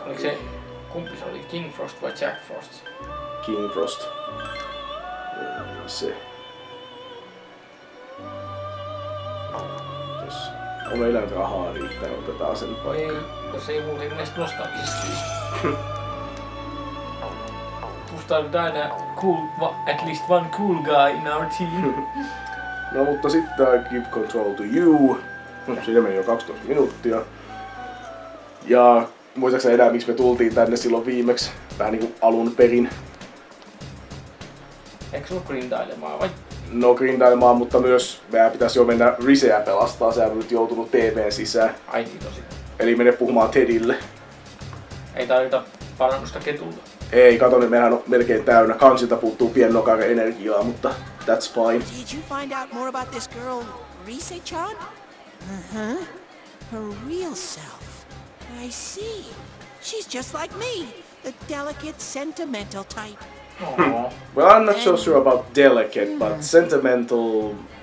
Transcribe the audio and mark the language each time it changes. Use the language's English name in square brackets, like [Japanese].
[Finnish] oli se, kumpi se oli, King Frost vai Jack Frost? King Frost. Se. Jos on eläintä rahaa riittää, niin otetaan sen paikka. Ei, jos ei muuta edes nostaa pistiin. Musta on aina [English] cool, at least one cool guy in our team. [Finnish] No mutta sitten [English] I give control to you. [Finnish] Siinä meni jo 12 minuuttia. Ja muistaaksä enää, miksi me tultiin tänne silloin viimeksi? Vähän niinku alun perin. Eikö sulla grindailemaan vai? No grindailemaan, mutta myös meidän pitäisi jo mennä Riseä pelastaa. Sehän on nyt joutunut TV:n sisään. Ai niin tosi. Eli mene puhumaan Tedille. Ei tarvita parannusta ketulta. Ei, kato nyt, mehän on melkein täynnä. Kansilta puuttuu pien nokare energiaa, mutta [English] that's fine. Did you find out more about this girl, Rise-chan? Uh-huh. Her real self. I see. She's just like me, the delicate, sentimental type. Well, I'm not so sure about delicate, but sentimental.